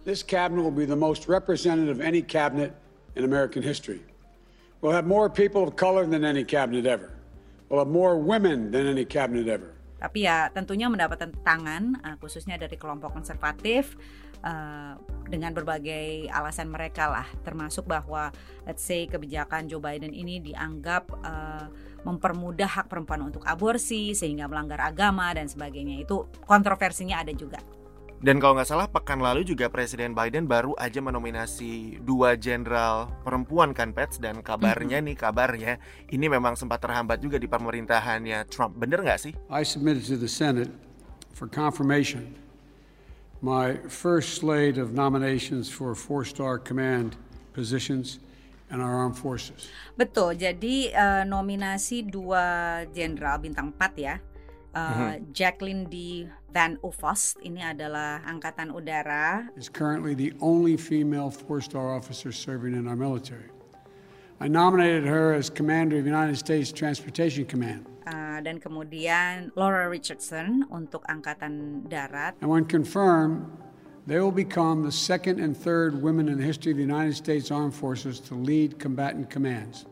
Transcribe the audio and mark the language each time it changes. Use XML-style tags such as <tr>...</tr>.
<en>This cabinet will be the most representative of any cabinet in American history. We'll have more people of color than any cabinet ever. Well, more women than any cabinet ever.</en> <id>Tapi ya tentunya mendapat tantangan khususnya dari kelompok konservatif dengan berbagai alasan mereka lah, termasuk bahwa</id> <en>let's say</en> <id>kebijakan Joe Biden ini dianggap mempermudah hak perempuan untuk aborsi sehingga melanggar agama dan sebagainya, itu kontroversinya ada juga. Dan kalau nggak salah pekan lalu juga Presiden Biden baru aja menominasi 2 jenderal perempuan kan, Pets, dan kabarnya ini memang sempat terhambat juga di pemerintahannya Trump, bener nggak sih?</id> <en>I submitted to the Senate for confirmation my first slate of nominations for 4-star command positions and our armed forces.</en> <id>Betul, jadi nominasi 2 jenderal bintang 4 ya. Jacqueline D. Van Uffost ini adalah angkatan udara.</id> <en>Is currently the only female 4-star officer serving in our military. I nominated her as commander of United States Transportation Command.</en> <id>Dan kemudian Laura Richardson untuk angkatan darat.</id> <en>And when confirmed, They will become the second and third women in the history of the United States Armed Forces to lead combatant commands.</en>